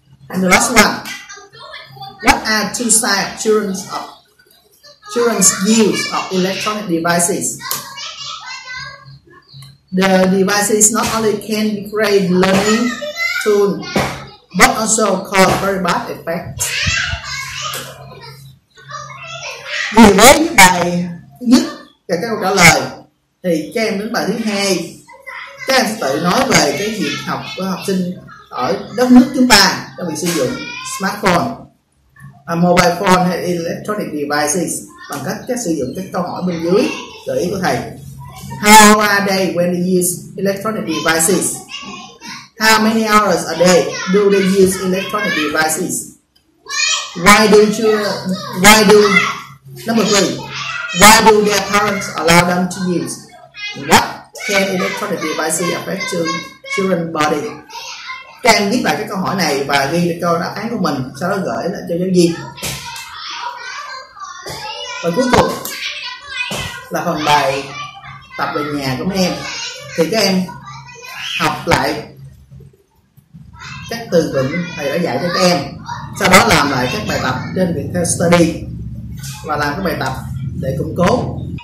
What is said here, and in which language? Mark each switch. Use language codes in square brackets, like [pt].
[en] And the last one. What are two sides children's use of electronic devices? The devices not only can create learning tools, but also cause very bad effects. [vi] Vì với những bài thứ nhất và các câu trả lời thì các em đến bài thứ hai, các em sẽ tự nói về cái việc học của học sinh ở đất nước chúng ta trong việc sử dụng smartphone, mobile phone hay [en] electronic devices. [vi] bằng cách sử dụng các câu hỏi bên dưới gợi ý của thầy. [en] How are they when they use electronic devices? How many hours a day do they use electronic devices? Why do their parents allow them to use? What can electronic devices affect children's body? [vi] Các em viết lại cái câu hỏi này và ghi lại câu đáp án của mình, sau đó gửi lại cho giáo viên. Và cuối cùng là phần bài tập về nhà của mấy em. Thì các em học lại các từ vựng thầy đã dạy cho các em, sau đó làm lại các bài tập trên viện theo study và làm các bài tập để củng cố.